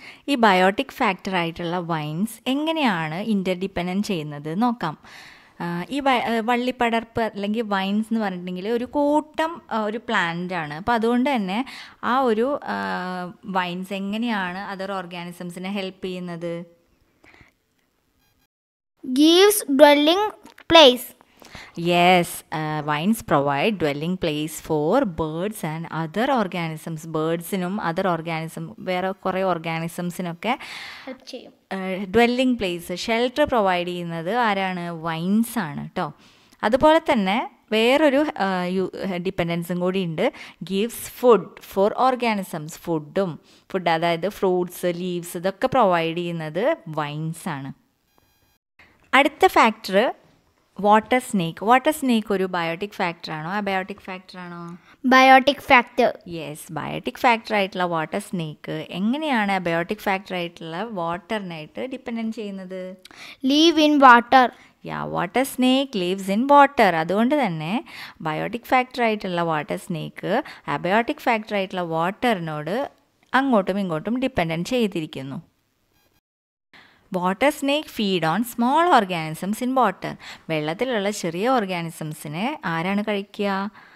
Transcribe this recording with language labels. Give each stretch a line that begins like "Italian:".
Malayalam: ഈ biotic ഫാക്ടറായിട്ടുള്ള vines എങ്ങനെയാണ് ഇൻ്റർഡിപ്പെൻഡൻറ്റ് ചെയ്യുന്നത് നോക്കാം. ഈ വള്ളിപ്പടർപ്പ് അല്ലെങ്കിൽ വൈൻസ് എന്ന് പറഞ്ഞിട്ടുണ്ടെങ്കിൽ ഒരു കൂട്ടം ഒരു പ്ലാന്റാണ്. അപ്പോൾ അതുകൊണ്ട് തന്നെ ആ ഒരു വൈൻസ് എങ്ങനെയാണ് അതർ ഓർഗാനിസംസിനെ ഹെൽപ്പ് ചെയ്യുന്നത്?
English: gives dwelling place. Yes, vines provide dwelling place for birds and other organisms.
Malayalam: Birds inum other organism vera kore organisms inokke help cheyum dwelling place shelter provide cheynathu aarana vines aanu to adu pole thanne വേറൊരു ഡിപ്പെൻഡൻസും കൂടി ഉണ്ട്.
English: Gives food for organisms.
Malayalam: ഫുഡും food അതായത് fruits leaves ഇതൊക്കെ provide ചെയ്യുന്നത് vines ആണ്. അടുത്ത factor water snake. Water snake ഒരു biotic ഫാക്ടറാണോ abiotic ഫാക്ടറാണോ?
English: Biotic factor.
Malayalam: Yes, biotic factor ആയിട്ടുള്ള വാട്ടർ സ്നേക്ക് എങ്ങനെയാണ് അബയോട്ടിക് ഫാക്ടർ ആയിട്ടുള്ള വാട്ടറിനായിട്ട് ഡിപ്പെൻഡൻ ചെയ്യുന്നത്?
English: Live in water. Yeah, water snake lives in water.
Malayalam: അതുകൊണ്ട് തന്നെ biotic factor ആയിട്ടുള്ള water snake abiotic factor ആയിട്ടുള്ള വാട്ടറിനോട് അങ്ങോട്ടും ഇങ്ങോട്ടും ഡിപ്പെൻഡൻറ്റ് ചെയ്തിരിക്കുന്നു.
English: Water snake feed on small organisms in water.
Malayalam: വെള്ളത്തിലുള്ള ചെറിയ ഓർഗാനിസംസിനെ ആരാണ് കഴിക്കുക?